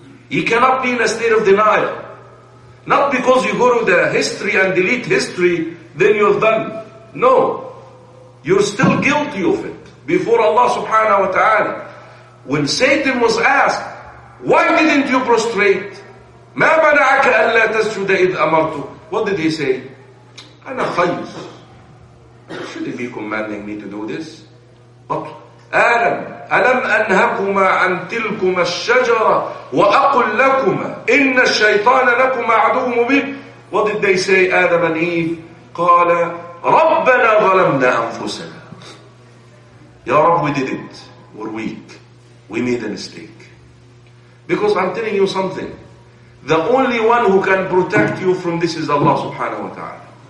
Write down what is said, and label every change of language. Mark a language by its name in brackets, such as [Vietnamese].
[English] You cannot be in a state of denial. Not because you go to the history and delete history, then you're done. No. You're still guilty of it before Allah subhanahu wa ta'ala. When Satan was asked, why didn't you prostrate? [Arabic] مَا مَنَعَكَ أَلَّا تَسْجُدَ إِذْ أَمَرْتُكَ [English] What did he say? [Arabic] أَنَا خَيْرٌ [English] Shouldn't be commanding me to do this. But Adam, [Arabic] أَلَمْ أَنْهَكُمَا عَنْ تِلْكُمَ الشَّجَرَةِ وَأَقُلْ لَكُمَا إِنَّ الشَّيْطَانَ لَكُمَا عَدُوٌ مُبِينٌ [English] What did they say, Adam and Eve? [Arabic] قَالَ رَبَّنَا ظَلَمْنَا أَنفُسَنَا Ya Rab, [English] we did it. We're weak. We made a mistake. Because I'm telling you something. The only one who can protect you from this is Allah subhanahu wa ta'ala.